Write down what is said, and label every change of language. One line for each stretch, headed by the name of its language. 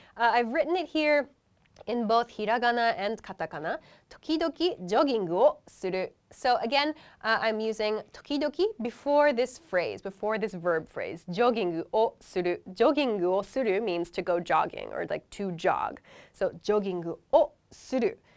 English: I've written it here in both hiragana and katakana.
Japanese: 時々ジョギングをする。
English: So again, I'm using 時々 before this phrase, before this verb phrase.
Japanese: ジョギングをする。ジョギングをする
English: means to go jogging or like to jog.
Japanese: So ジョギングをする。